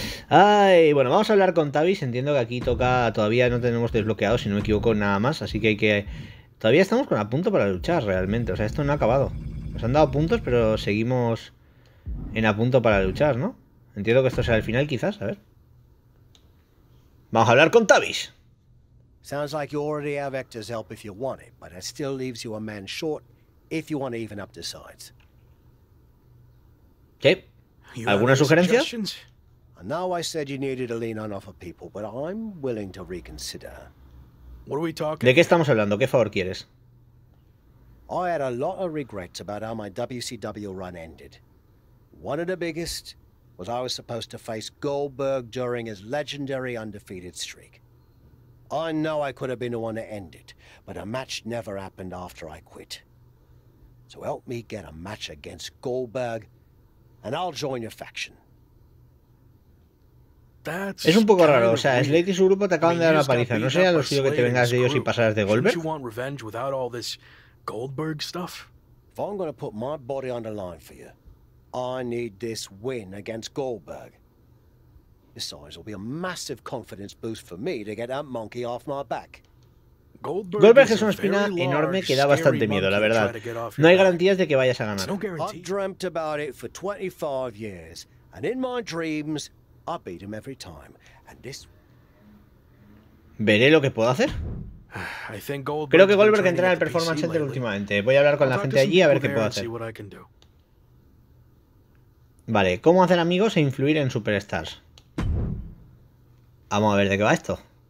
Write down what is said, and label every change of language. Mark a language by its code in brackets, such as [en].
[es] Ay, bueno, vamos a hablar con Tavis. Entiendo que aquí toca, todavía no tenemos desbloqueado, si no me equivoco, nada más. Así que hay que... Todavía estamos con a punto para luchar realmente. O sea, esto no ha acabado. Nos han dado puntos, pero seguimos en a punto para luchar, ¿no? Entiendo que esto sea el final quizás, a ver. Vamos a hablar con Tavis. [en] Sounds like you already have Hector's help if you want it, but it still leaves you a man short. If you want to even up the sides. [es] ¿Qué? ¿Alguna sugerencia? [en] I know I said you needed to lean on other people, but I'm willing to reconsider. What are we talking? [es] ¿De qué estamos hablando? ¿Qué favor quieres? [en] I had a lot of regrets about how my WCW run ended. One of the biggest was I was supposed to face Goldberg during his legendary undefeated streak. I know I could have been the one to end it, but a match never happened after I quit. So help me get a match against Goldberg, and I'll join your faction. That's [es] es un poco raro, o sea, Slade y su grupo te acaban de dar la paliza. ¿No sería lo suyo que te vengas de ellos y pasaras de Goldberg? [en] You want revenge without all this Goldberg stuff? If I'm gonna put my body on the line for you, I need this win against Goldberg. Besides, it'll be a massive confidence boost for me to get that monkey off my back. [es] Goldberg es una espina enorme que da bastante miedo, la verdad. No hay garantías de que vayas a ganar. [en] I've dreamt about it for 25 years, and in my dreams, I beat him every time. And this. [es] Veré lo que puedo hacer. Creo que Goldberg entra en el Performance Center últimamente. Voy a hablar con la gente allí a ver qué puedo hacer. Vale, ¿cómo hacer amigos e influir en superstars? Vamos a ver de qué va esto.